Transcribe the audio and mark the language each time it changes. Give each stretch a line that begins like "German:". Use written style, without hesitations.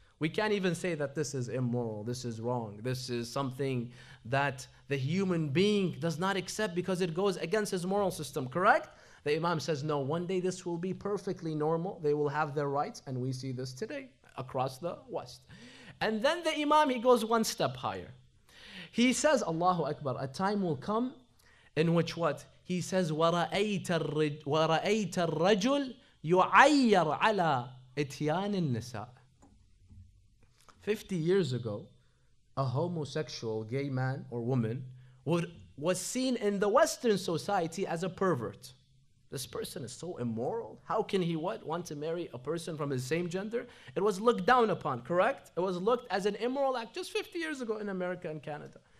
English: We can't even say that this is immoral, this is wrong, this is something that the human being does not accept because it goes against his moral system, correct? The Imam says, no, one day this will be perfectly normal. They will have their rights, and we see this today across the West. And then the Imam, he goes one step higher. He says, Allahu Akbar, a time will come in which what? He says,
Arabic: وَرَأَيْتَ الرَّجُلْ يُعَيَّرْ عَلَىٰ إِتْيَانِ النِّسَاءِ.
English: 50 years ago, a homosexual gay man or woman was seen in the Western society as a pervert. This person is so immoral. How can he what want to marry a person from his same gender? It was looked down upon, correct? It was looked as an immoral act just 50 years ago in America and Canada.